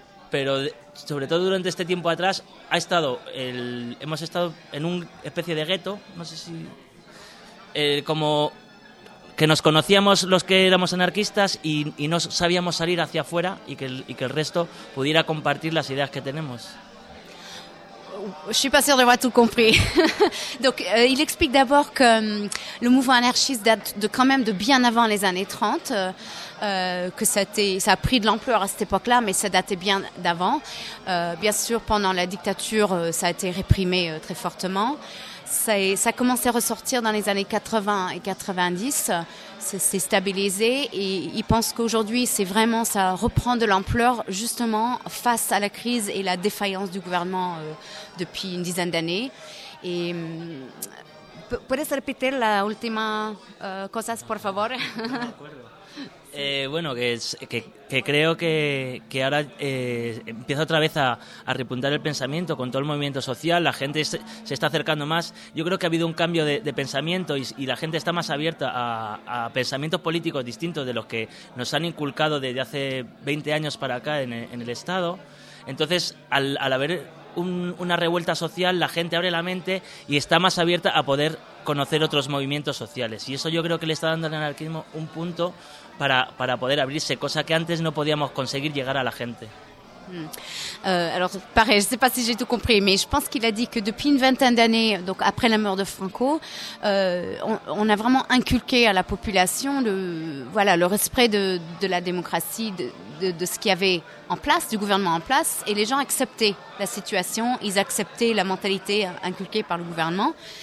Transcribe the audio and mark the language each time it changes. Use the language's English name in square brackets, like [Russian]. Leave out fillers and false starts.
[Spanish] Pero sobre todo durante este tiempo atrás hemos estado en una especie de gueto, no sé si como que nos conocíamos los que éramos anarquistas y no sabíamos salir hacia afuera y que el resto pudiera compartir las ideas que tenemos. [French] Je suis pas sûre d'avoir tout compris. Donc, il explique d'abord que le mouvement anarchiste date de quand même de bien avant les années 30, que ça a pris de l'ampleur à cette époque-là, mais ça datait bien d'avant. Bien sûr, pendant la dictature, ça a été réprimé très fortement. Ça a commencé à ressortir dans les années 80 et 90. Ça s'est stabilisé et il pense qu'aujourd'hui, c'est vraiment, ça reprend de l'ampleur justement face à la crise et la défaillance du gouvernement depuis une dizaine d'années. [Spanish] Et puedes repetir la última cosas, por favor? Bueno, que creo que ahora empieza otra vez a repuntar el pensamiento con todo el movimiento social, la gente se está acercando más. Yo creo que ha habido un cambio de pensamiento y la gente está más abierta a pensamientos políticos distintos de los que nos han inculcado desde hace 20 años para acá en el Estado. Entonces, al haber una revuelta social, la gente abre la mente y está más abierta a poder conocer otros movimientos sociales. Y eso yo creo que le está dando al anarquismo un punto para poder abrirse, cosa que antes no podíamos conseguir llegar a la gente. [French] Alors pareil, je ne sais pas si j'ai tout compris, mais je pense qu'il a dit que depuis une vingtaine d'années, donc après la mort de Franco, on a vraiment inculqué à la population le respect de la démocratie, de ce qu'il y avait en place, du gouvernement en place, et les gens acceptaient la situation, ils acceptaient la mentalité inculquée par le gouvernement.